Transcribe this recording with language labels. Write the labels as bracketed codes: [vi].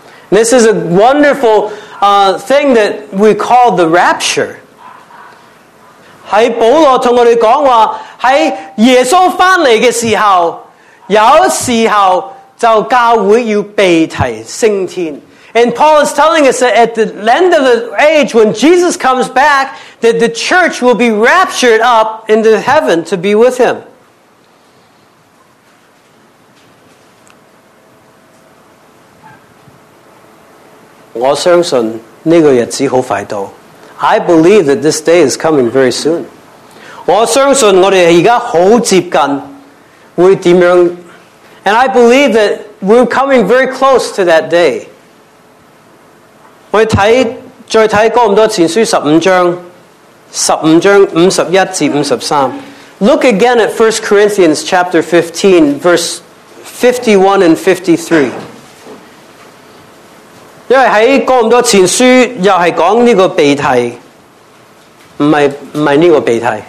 [en] This is a wonderful thing that we call the rapture. [zh] 在保罗跟我们讲话，在耶稣回来的时候，有时候就教会要被提升天。 [en] And Paul is telling us that at the end of the age, when Jesus comes back, that the church will be raptured up into heaven to be with him. [zh] 我相信这个日子很快到。 [en] I believe that this day is coming very soon. [zh] 我相信我们现在很接近会怎样 [en] And I believe that we're coming very close to that day. [zh] 我们看再看哥林多前书十五章五十一至五十三 [en] Look again at 1 Corinthians chapter 15 verse 51 and 53. [zh] 因为在哥林多前书又是讲这个被提不是这个被提